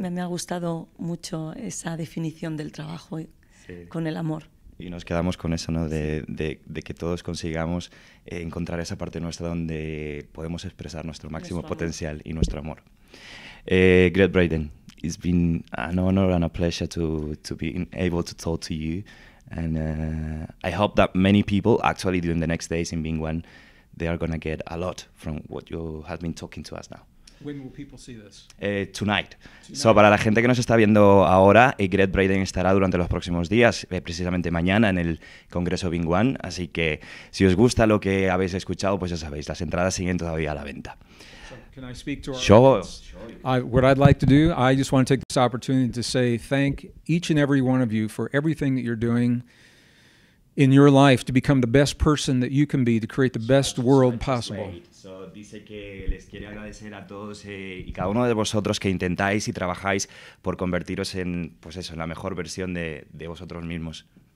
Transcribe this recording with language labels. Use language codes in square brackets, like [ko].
[es] Me ha gustado mucho esa definición del trabajo con el amor. Y nos quedamos con eso, ¿no? De que todos consigamos encontrar esa parte nuestra donde podemos expresar nuestro máximo nuestro potencial y nuestro amor. [en] Gregg Braden, it's been an honor and a pleasure to be able to talk to you. And I hope that many people, actually during the next days in Bingwan, they are going to get a lot from what you have been talking to us now. When will people see this? Tonight. [es] So, para la gente que nos está viendo ahora, Gregg Braden estará durante los próximos días, precisamente mañana en el Congreso Bingwan. Así que, si os gusta lo que habéis escuchado, pues ya sabéis, las entradas siguen todavía a la venta. [en] Can I speak to our sure. audience? What I'd like to do, I just want to take this opportunity to say thank each and every one of you for everything that you're doing in your life to become the best person that you can be to create the best world possible. [es] So, dice que les quiere agradecer a todos y cada uno de vosotros que intentáis y trabajáis por convertiros en, pues eso, en la mejor versión de vosotros mismos.